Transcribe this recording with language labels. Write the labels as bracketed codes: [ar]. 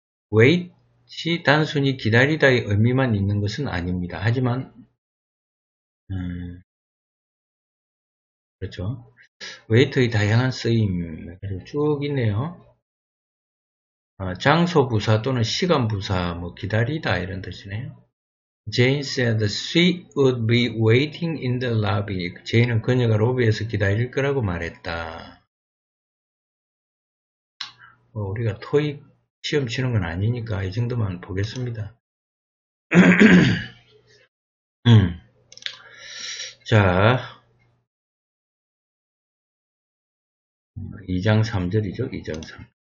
[ko] wait 시 단순히 기다리다의 의미만 있는 것은 아닙니다. 하지만 그렇죠. 웨이터의 다양한 쓰임 쭉 있네요. 장소 부사 또는 시간 부사 뭐 기다리다 이런 뜻이네요. [en] Jane said she would be waiting in the lobby. [ko] 제인은 그녀가 로비에서 기다릴 거라고 말했다. 우리가 토익 시험 치는 건 아니니까 이 정도만 보겠습니다. 자, 2장 3절이죠. 2장 3.